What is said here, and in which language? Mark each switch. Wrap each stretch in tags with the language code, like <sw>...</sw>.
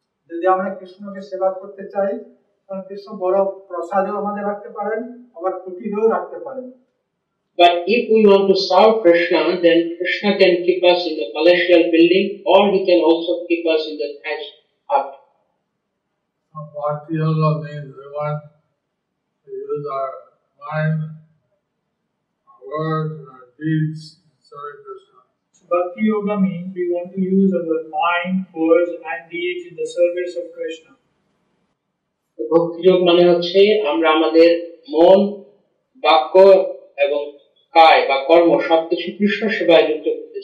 <bn>যদি আমরা কৃষ্ণকে সেবা করতে চাই তাহলে কৃষ্ণ বড় প্রসাদও আমাদের রাখতে পারেন আবার কুটিরও রাখতে পারেন.</bn> <en>But if we want to serve Krishna, then Krishna can keep us in the palatial building or he can also keep us in the thatched hut. Bhaktiyoga means we want to use our mind, our words, and our deeds in serving Krishna. Bhakti yoga means we want to use our mind, words, and deeds in the service of Krishna. Bhakti yoga means we want to use our mind, words, and deeds in the service of Krishna.</en> <bn>কায় বা কর্ম সবকিছু কৃষ্ণ সেবায় যুক্ত করতে</bn>